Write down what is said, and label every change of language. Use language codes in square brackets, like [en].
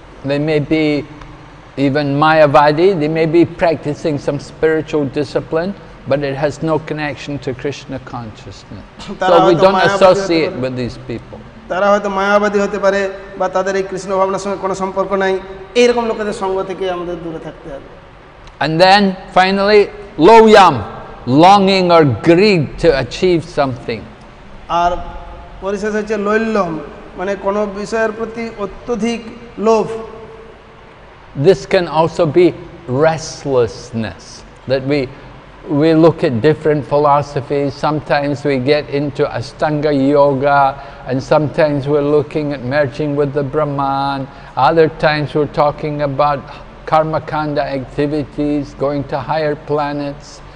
[en] They may be even Mayavadi, they may be practicing some spiritual discipline, but it has no connection to Krishna consciousness. So we don't associate with these people. [bn] তারা হয়তো মায়াবাদী হতে পারে বা তাদের এই কৃষ্ণ ভাবনার সঙ্গে কোনো সম্পর্ক নাই, এইরকম লোকেদের সঙ্গ থেকে আমাদের দূরে থাকতে হবে. [en] And then finally লোয়াম, longing or greed to achieve something. [bn] আর পরিশেষ হচ্ছে লৈল্যম, মানে কোনো বিষয়ের প্রতি অত্যধিক লোভ. [en] This can also be restlessness, that we look at different philosophies, sometimes we get into Ashtanga yoga, and sometimes we're looking at merging with the Brahman, other times we're talking about karmakanda activities, going to higher planets.